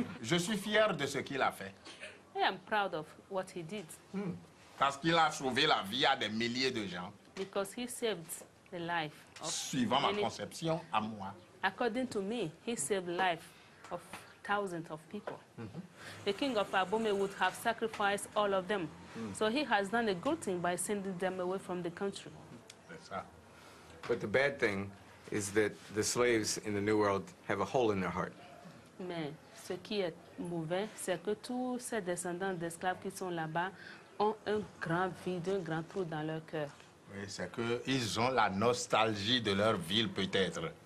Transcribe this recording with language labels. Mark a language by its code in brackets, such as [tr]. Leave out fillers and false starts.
[fr] Je suis fier de ce qu'il a fait. [en] I am proud of what he did. [fr] Parce qu'il a sauvé la vie à des milliers de gens. [en] Because he saved the life of [fr] suivant ma conception à moi. [en] According to me, he saved life of thousands of people. Mm-hmm. The king of Abomey would have sacrificed all of them. So he has done a good thing by sending them away from the country. Yes, but the bad thing is that the slaves in the New World have a hole in their heart. [fr] Mais ce qui est mauvais, c'est que tous ces descendants d'esclaves qui sont là-bas ont un grand vide, un grand trou dans leur cœur. Oui, c'est que ils ont la nostalgie de leur ville, peut-être.